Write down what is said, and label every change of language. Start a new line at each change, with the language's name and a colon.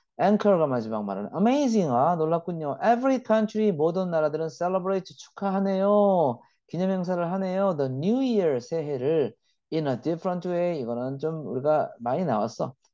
Korean: 앵커가 마지막 말은 amazing 아 놀랐군요.
English: Every country
Korean: 모든 나라들은 celebrate 축하하네요. 기념 행사를 하네요.
English: The New Year
Korean: 새해를
English: In a different way.
Korean: 이거는 좀 우리가 많이 나왔어.